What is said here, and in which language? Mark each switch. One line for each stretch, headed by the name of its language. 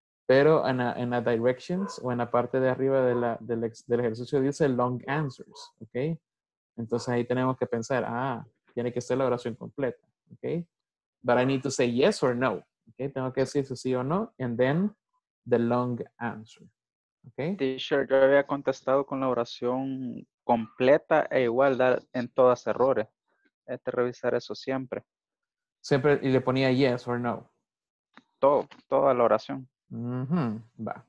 Spanish: Pero en la directions, o en la parte de arriba de del ejercicio, dice
English: long answers.
Spanish: Okay. Entonces ahí tenemos que pensar, tiene que ser la oración completa.
English: Okay, but I need to say yes or no.
Spanish: Okay, tengo que decir si sí o no,
English: and then the long answer.
Spanish: Okay. Teacher, yo había contestado con la oración completa e igual dar en todas errores. Hay que revisar eso siempre. Siempre y le ponía
English: yes or no.
Spanish: Toda la oración. Va.